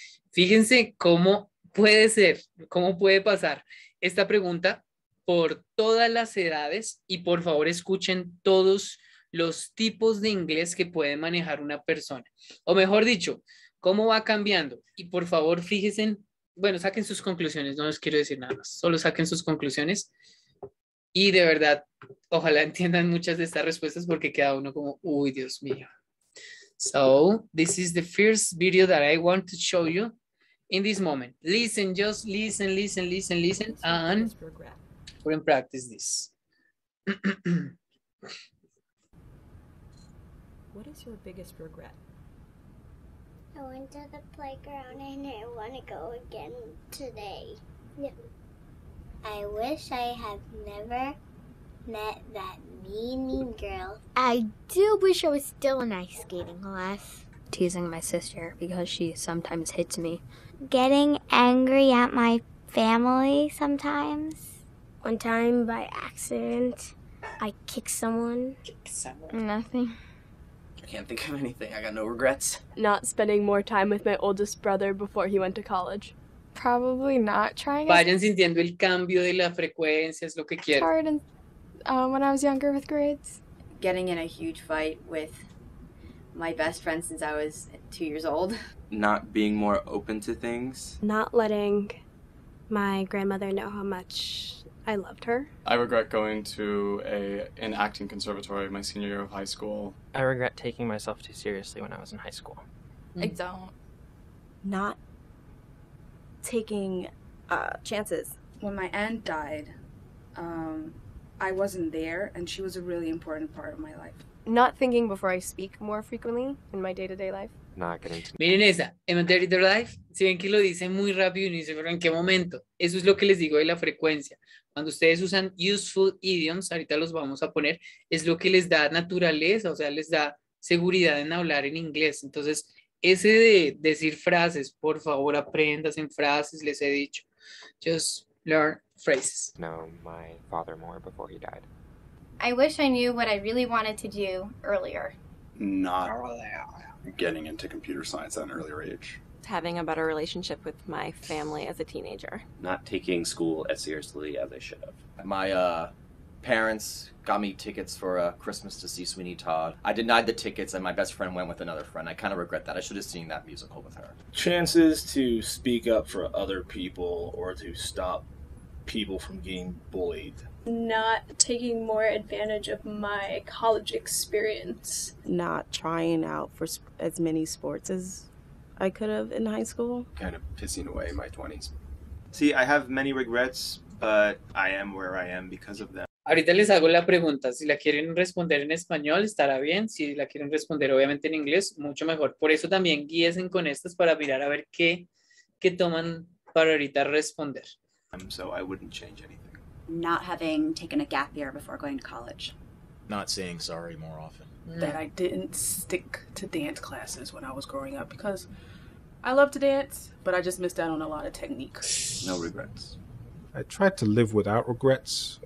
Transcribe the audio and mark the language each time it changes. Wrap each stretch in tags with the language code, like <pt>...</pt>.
<es>Fíjense cómo puede ser, cómo puede pasar esta pregunta por todas las edades, y por favor escuchen todos los tipos de inglés que puede manejar una persona. O mejor dicho, cómo va cambiando. Y por favor fíjense Bueno, saquen sus conclusiones, no les quiero decir nada más, solo saquen sus conclusiones. Y de verdad, ojalá entiendan muchas de estas respuestas porque queda uno como, uy, Dios mío.</es> <en>So, this is the first video that I want to show you in this moment. Listen, just listen, listen, listen, listen, and we're going to practice this. What is your biggest regret? I went to the playground and I want to go again today. Yeah. I wish I had never met that mean girl. I do wish I was still in ice skating class. Teasing my sister because she sometimes hits me. Getting angry at my family sometimes. One time by accident, I kicked someone. Nothing. Can't think of anything. I got no regrets. Not spending more time with my oldest brother before he went to college. Probably not trying.</en> <es>Vayan sintiendo el cambio de la frecuencia, es lo que quiero.</es> <en>Hard and, when I was younger with grades. Getting in a huge fight with my best friend since I was 2 years old. Not being more open to things. Not letting my grandmother know how much I loved her. I regret going to an acting conservatory my senior year of high school. I regret taking myself too seriously when I was in high school. I don't. Not taking chances. When my aunt died, I wasn't there, and she was a really important part of my life. Not thinking before I speak more frequently in my day-to-day life.</en> <es>Miren esa, en</es> <en>my day-to-day life,</en> <es>si ven que lo dice muy rápido y no dice, pero ¿en qué momento? Eso es lo que les digo de la frecuencia. Cuando ustedes usan</es> <en>useful idioms,</en> <es>ahorita los vamos a poner, es lo que les da naturaleza, o sea, les da seguridad en hablar en inglés. Entonces, ese de decir frases, por favor, aprendas en frases, les he dicho.</es> <en>Just learn phrases. No, my father more before he died. I wish I knew what I really wanted to do earlier. Not earlier. Getting into computer science at an earlier age. Having a better relationship with my family as a teenager. Not taking school as seriously as I should have. My parents got me tickets for a Christmas to see Sweeney Todd. I denied the tickets and my best friend went with another friend. I kind of regret that. I should have seen that musical with her. Chances to speak up for other people or to stop people from getting bullied. Not taking more advantage of my college experience. Not trying out for as many sports as I could have in high school. Kind of pissing away my 20s. See, I have many regrets, but I am where I am because of them.</en> <es>Ahorita les hago la pregunta. Si la quieren responder en español, estará bien. Si la quieren responder, obviamente, en inglés, mucho mejor. Por eso también guíesen con estas para mirar a ver qué toman para ahorita responder.</es> <en>So I wouldn't change anything. Not having taken a gap year before going to college. Not saying sorry more often. That I didn't stick to dance classes when I was growing up because I love to dance, but I just missed out on a lot of technique. No regrets. I tried to live without regrets.</en>